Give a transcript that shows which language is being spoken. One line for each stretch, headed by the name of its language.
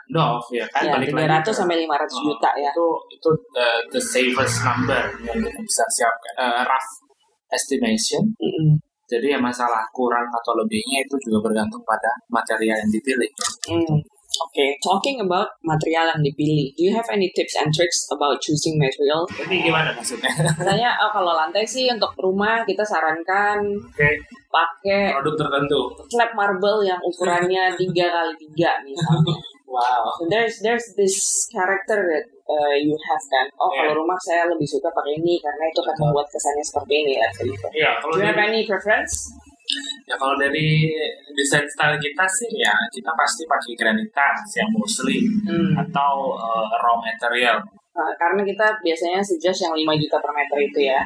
Indonesian: doff ya kan ya, balik 300 sampai 500 juta ya. Itu
English: the safest number
Indonesian: yang kita bisa siapkan.
English: Rough estimation.
Indonesian: Jadi ya masalah kurang atau lebihnya itu juga bergantung pada material yang dipilih.
English: Okay, talking about material
Indonesian: yang dipilih.
English: Do you have any tips and tricks about choosing material?
Indonesian: Ini gimana maksudnya? Misalnya kalau lantai sih untuk rumah kita sarankan pakai produk tertentu. Slab marble yang ukurannya 3x3 misalnya. Wow.
English: So there's this character that you have kan. Oh, yeah.
Indonesian: Kalau rumah saya lebih suka pakai ini karena itu akan membuat kesannya seperti ini ya.
English: Yeah, do you have any preference?
Indonesian: Ya kalau dari desain style kita sih ya kita pasti pakai granitas yang mostly atau raw material. Karena kita biasanya suggest yang 5 juta per meter itu ya.